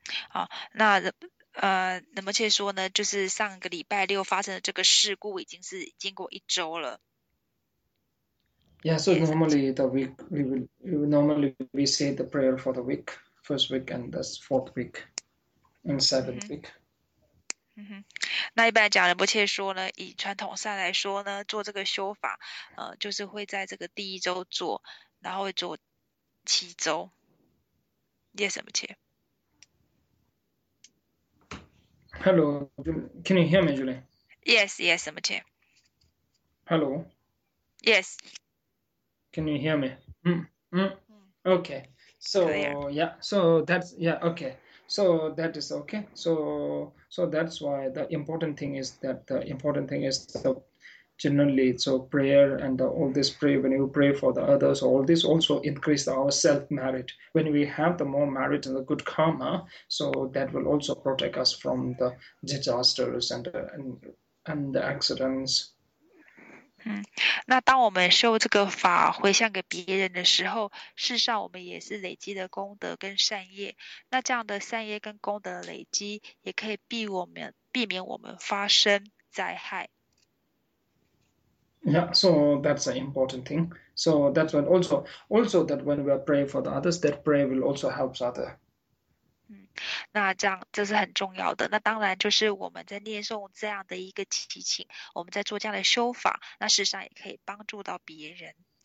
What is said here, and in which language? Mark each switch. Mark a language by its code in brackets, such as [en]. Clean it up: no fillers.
[zh] 好，那那么却说呢，就是上个礼拜六发生的这个事故已经是经过一周了。 [en] Yeah, so normally the week we say the prayer for the week, first week and the fourth week, and seventh week. [zh] 那一般讲仁波切说呢，以传统上来说呢，做这个修法，就是会在这个第一周做，然后会做七周。 [en] Yes, 仁波切。 Hello, can you hear me, Julie? Yes, yes, I'm here. Hello? Yes. Can you hear me? Okay. So, okay. So, that is okay. So that's why the important thing is that the important thing is the generally, so prayer and all this prayer, when you pray for the others, all this also increase our self-merit. When we have the more merit and the good karma, so that will also protect us from the disasters and the accidents. [zh] 那当我们修这个法回向给别人的时候，事实上我们也是累积的功德跟善业。那这样的善业跟功德累积，也可以避免我们发生灾害。 [en] Yeah, so that's an important thing. So that's what also that when we are praying for the others, that prayer will also help other. [zh] 那这样这是很重要的。那当然就是我们在念诵这样的一个祈请，我们在做这样的修法，那事实上也可以帮助到别人。